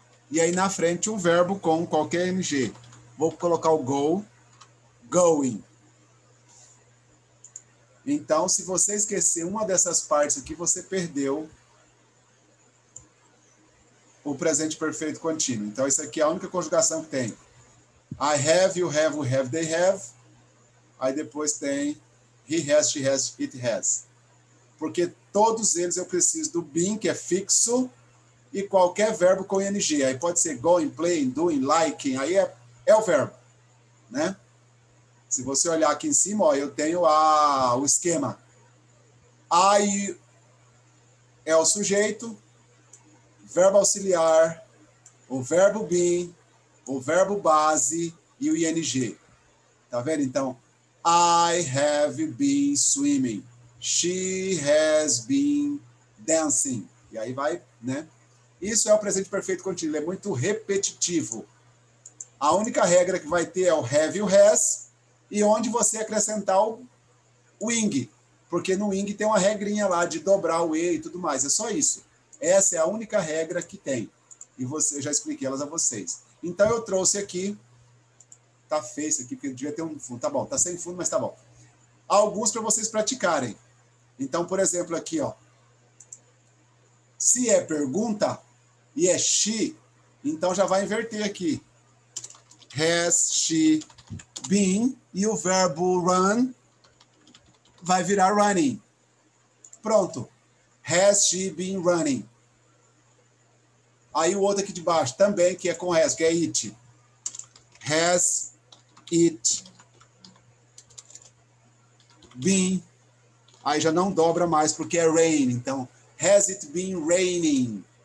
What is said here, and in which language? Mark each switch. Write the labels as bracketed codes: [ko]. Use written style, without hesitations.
[pt] E aí na frente um verbo com qualquer ing. Vou colocar o go, going. Então, se você esquecer uma dessas partes aqui, você perdeu o presente perfeito contínuo. Então, isso aqui é a única conjugação que tem. [en] I have, you have, we have, they have. [pt] Aí depois tem [en] he has, she has, it has. [pt] Porque todos eles eu preciso do been, que é fixo, e qualquer verbo com ing. Aí pode ser going, playing, doing, liking. Aí é o verbo, né? Se você olhar aqui em cima, ó, eu tenho o esquema. I é o sujeito, verbo auxiliar, o verbo be, o verbo base e o ing. Tá vendo? [en] Então, I have been swimming. She has been dancing. [pt] E aí vai, né? Isso é o presente perfeito contínuo. Ele é muito repetitivo. A única regra que vai ter é o have e o has. E onde você acrescentar o ing, porque no ing tem uma regrinha lá de dobrar o e e tudo mais, é só isso. Essa é a única regra que tem. E você, eu já expliquei elas a vocês. Então eu trouxe aqui, tá feio isso aqui, porque devia ter um fundo, tá bom, tá sem fundo, mas tá bom. Alguns para vocês praticarem. Então, por exemplo, aqui, ó. Se é pergunta e é she, então já vai inverter aqui. [en] Has she been? [pt] E o verbo run vai virar running. Pronto. [en] Has she been running? [pt] Aí o outro aqui de baixo também, que é com has, que é it. [en] Has it been? [pt] Aí já não dobra mais porque é rain. [en] Então, has it been raining?